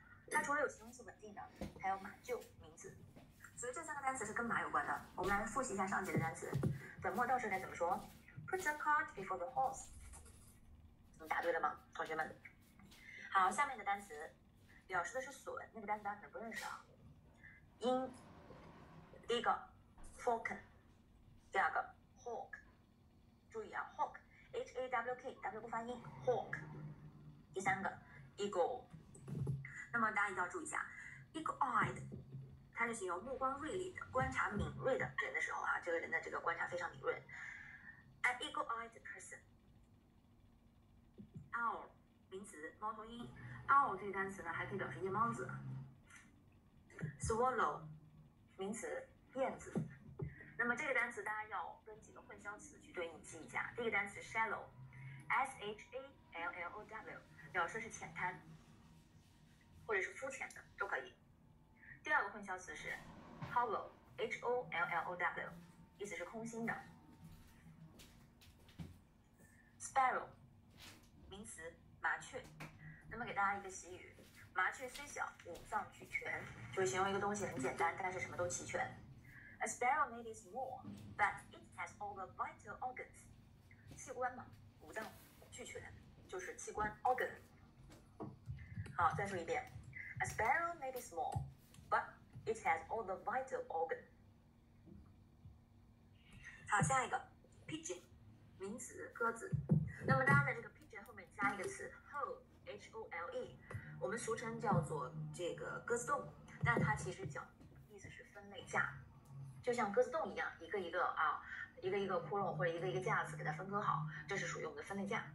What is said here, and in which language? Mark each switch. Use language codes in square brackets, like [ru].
[zh] 它除了有形容词稳定的，还有马厩名词，所以这三个单词是跟马有关的。我们来复习一下上节的单词，本末倒置该怎么说 ？ [en] Put the cart before the horse。 [zh] 你答对了吗，同学们？好，下面的单词表示的是笋，那个单词大家可能不认识啊。鹰，第一个 falcon， 第二个 hawk， 注意啊 ，hawk， h a w k w 不发音 ，hawk。第三个 eagle， 那么大家一定要注意一下 ，eagle-eyed， 它是形容目光锐利的、观察敏锐的人的时候啊，这个人的这个观察非常敏锐 ， [en] an eagle-eyed person。 [zh] owl 名词猫头鹰 ，owl 这个单词呢还可以表示夜猫子。 swallow 名词燕子，那么这个单词大家要跟几个混淆词去对应记一下。第一个单词 shallow，s h a l l o w 表示是浅滩，或者是肤浅的都可以。第二个混淆词是 hollow，h o l l o w， 意思是空心的。 [en] sparrow。 [zh] 名词麻雀，那么给大家一个习语，麻雀虽小五脏俱全，就是形容一个东西很简单但是什么都齐全。 [en] A sparrow may be small but it has all the vital organs， [zh] 器官嘛，五脏俱全就是器官 [en] organ。 [zh] 好，再说一遍， [en] A sparrow may be small but it has all the vital organs。 [zh] 好，下一个 pigeon， 名词鸽子，那么大家在这个后面加一个词 hole， h o l e， 我们俗称叫做这个鸽子洞，但它其实讲意思是分类架，就像鸽子洞一样，一个一个啊，一个一个窟窿或者一个一个架子给它分割好，这是属于我们的分类架。